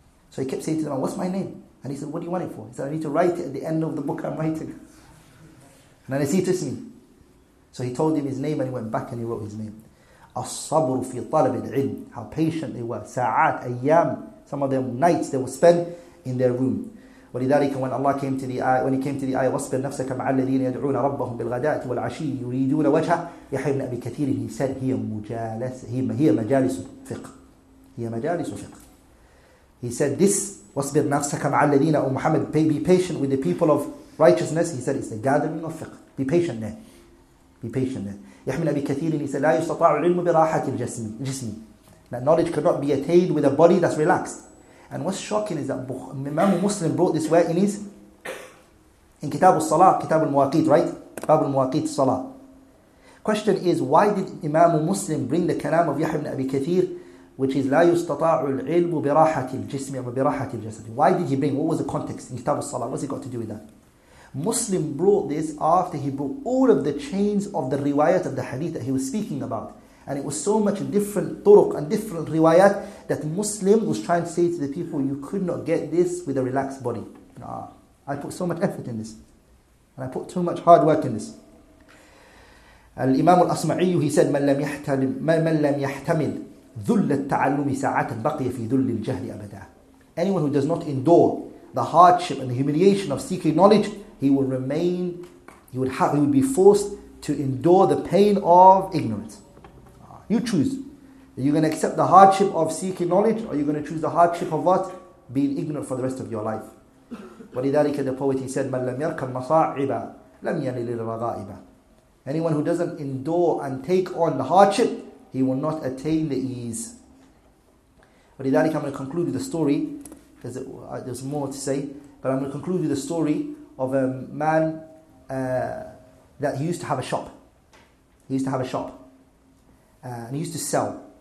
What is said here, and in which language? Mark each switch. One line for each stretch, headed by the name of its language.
English: So he kept saying to the man, what's my name? And he said, what do you want it for? He said, I need to write it at the end of the book I'm writing. And then he said to me, so he told him his name and he went back and he wrote his name.
Arabic: As-sabr fi talab al-ilm.
English: How patient they were.
Arabic: Sa'at, ayyam.
English: Some of them nights they would spend in their room.
Arabic: ولذلك
English: when Allah came to the ayah,
Arabic: when he came to the ayah, وَاصْبِرْ نَفْسَكَ مَعَ الَّذِينَ يَدْعُونَ رَبَّهُمْ بِالْغَدَاةِ وَالْعَشِيِّ يُرِيدُونَ وَجْهَهُ يَحْيَى بْنُ أَبِي كَثِيرٍ.
English: He said,
Arabic: هِيَ مَجَالِسُ فِقْه. هِيَ مَجَالِسُ فِقْه.
English: He said, this,
Arabic: وَاصْبِرْ نَفْسَكَ مَعَ الَّذِينَ,
English: O Muhammad, be patient with the people of righteousness. He said, it's the gathering of fiqh. Be patient there. Be patient there.
Arabic: يحمل أبي كثير إن لا يستطاع العلم براحة الجسم. جسمي.
English: That knowledge cannot be attained with a body that's relaxed. And what's shocking is that Imam Muslim brought this where in his in Kitab al-Salah, Kitab al-Muwaqit, right? Kitab al-Muwaqit Salah. Question is, why did Imam Muslim bring the kalam of يحمل أبي كثير, which is
Arabic: لا يستطاع العلم براحة الجسم
English: أو براحة الجسم. Why did he bring? What was the context in Kitab al-Salah? What's it got to do with that? Muslim brought this after he brought all of the chains of the riwayat of the hadith that he was speaking about. And it was so much different turuq and different riwayat that Muslim was trying to say to the people, you could not get this with a relaxed body. I put so much effort in this. And I put too much hard work in this.
Arabic: Al-Imam al-Asma'iyyu,
English: he said,
Arabic: مَنْ لَمْ يَحْتَمِلْ ذُلَّ التَّعَلُّمِ سَعَةً بَقِيَ فِي ذُلِّ الْجَهْلِ أَبَدًا.
English: Anyone who does not endure the hardship and the humiliation of seeking knowledge, he will remain, he would be forced to endure the pain of ignorance. You choose. Are you going to accept the hardship of seeking knowledge, or are you going to choose the hardship of what? Being ignorant for the rest of your life.
Arabic: وَلِذَلِكَ
English: the poet, he said,
Arabic: مَنْ لَمْ يَرْكَمْ مَصَاعِبًا لَمْ يَلِلِ الرَّغَائِبًا.
English: Anyone who doesn't endure and take on the hardship, he will not attain the ease.
Arabic: وَلِذَلِكَ,
English: I'm going to conclude with a story, because there's more to say, but I'm going to conclude with a story of a man that he used to have a shop. He used to have a shop. And he used to sell.